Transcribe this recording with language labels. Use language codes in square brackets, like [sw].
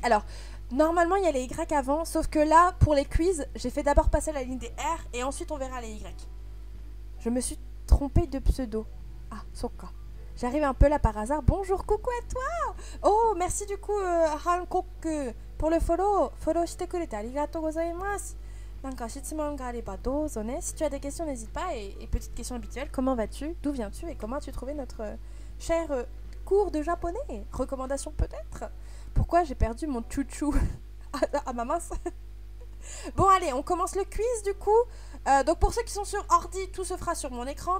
[fr] Alors, normalement, il y a les Y avant, sauf que là, pour les quiz, j'ai fait d'abord passer la ligne des R et ensuite on verra les Y. Je me suis trompée de pseudo. Ah, [ja] Soka. [fr] J'arrive un peu là par hasard. Bonjour, coucou à toi! Oh, merci du coup, Hankoku, pour le follow. [ja] Follow してくれてありがとうございます。なんか質問があればどうぞね。 [fr] Si tu as des questions, n'hésite pas. Et petite question habituelle, comment vas-tu? D'où viens-tu? Et comment as-tu trouvé notre cher cours de japonais? Recommandation peut-être? Pourquoi j'ai perdu mon chouchou à ma masse? Bon, allez, on commence le quiz du coup. Donc pour ceux qui sont sur ordi, tout se fera sur mon écran.